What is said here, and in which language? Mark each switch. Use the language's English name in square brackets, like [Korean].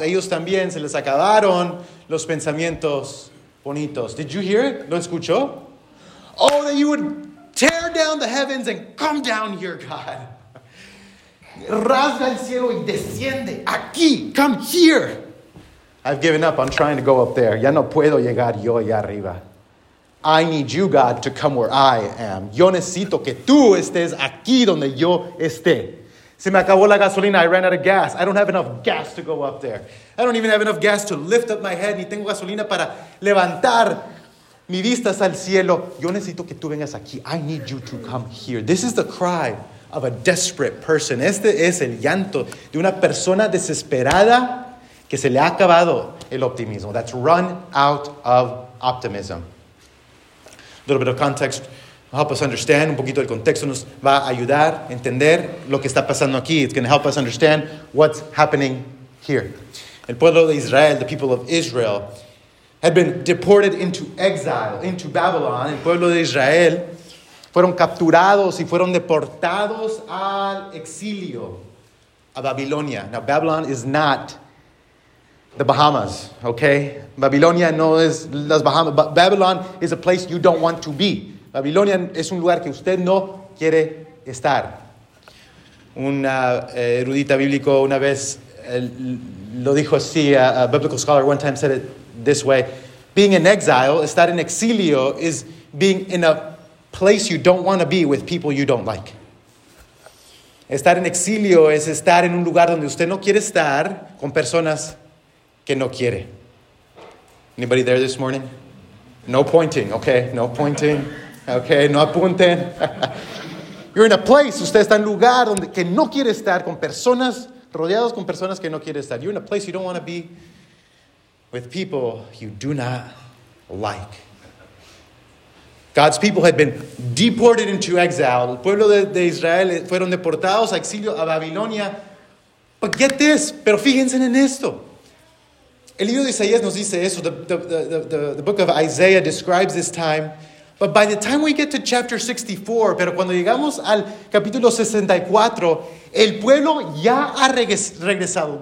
[Spanish] Ellos también se les acabaron los pensamientos bonitos. [English] Did you hear it? [Spanish] ¿Lo escuchó? [English] Oh, that you would tear down the heavens and come down here, God. [Spanish] Rasga el cielo y desciende aquí. [English] Come here. I've given up on trying to go up there. [Spanish] Ya no puedo llegar yo allá arriba. [English] I need you, God, to come where I am. [Spanish] Yo necesito que tú estés aquí donde yo esté. Se me acabó la gasolina. [English] I ran out of gas. I don't have enough gas to go up there. I don't even have enough gas to lift up my head. [Spanish] Ni tengo gasolina para levantar mi vista al cielo. Yo necesito que tú vengas aquí. [English] I need you to come here. This is the cry of a desperate person. [Spanish] Este es el llanto de una persona desesperada que se le ha acabado el optimismo. [English] That's run out of optimism. A little bit of context will help us understand. [Spanish] Un poquito del contexto nos va a ayudar a entender lo que está pasando aquí. [English] It's going to help us understand what's happening here. [Spanish] El pueblo de Israel, [English] the people of Israel, had been deported into exile, into Babylon. [Spanish] El pueblo de Israel fueron capturados y fueron deportados al exilio, a Babilonia. [English] Now, Babylon is not the Bahamas, okay? [Spanish] Babilonia no es las Bahamas, [English] but Babylon is a place you don't want to be. [Spanish] Babilonia es un lugar que usted no quiere estar. Un erudita bíblico una vez lo dijo así, [English] a biblical scholar one time said it this way, being in exile, [Spanish] estar en exilio, [English] is being in a place you don't want to be with people you don't like. [Spanish] Estar en exilio es estar en un lugar donde usted no quiere estar con personas que no quiere. [English] Anybody there this morning? No pointing, okay, no pointing, okay, [Spanish] no apunten. [English] You're in a place, [Spanish] usted está en lugar donde que no quiere estar con personas, rodeados con personas que no quiere estar. [English] You're in a place you don't want to be with people you do not like. God's people had been deported into exile. [Spanish] El pueblo de Israel fueron deportados a exilio a Babilonia. [English] But get this, [Spanish] pero fíjense en esto. El libro de Isaías nos dice eso. [English] The book of Isaiah describes this time. But by the time we get to chapter 64, [Spanish] pero cuando llegamos al capítulo 64, el pueblo ya ha regresado.